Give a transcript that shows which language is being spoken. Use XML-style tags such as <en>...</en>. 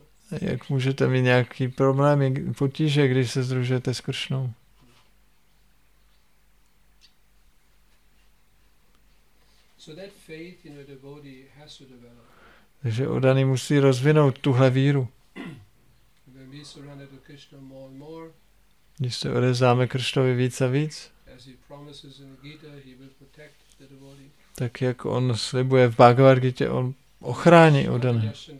<cs>Jak můžete mít nějaký problémy, potíže, když se združujete s Kršnou?</cs> <en>So that faith in a devotee has to develop.</en> <cs>Takže oddaný musí rozvinout tuhle víru.</cs> <en>When we surrender to Krishna more and more,</en> <cs>když se odevzdáme Kršnovi víc a víc,</cs> <en>as he promises in the Gita, he will protect the devotee.</en> <cs>Tak jak on slibuje v Bhagavad Gita, on ochrání oddaný.</cs>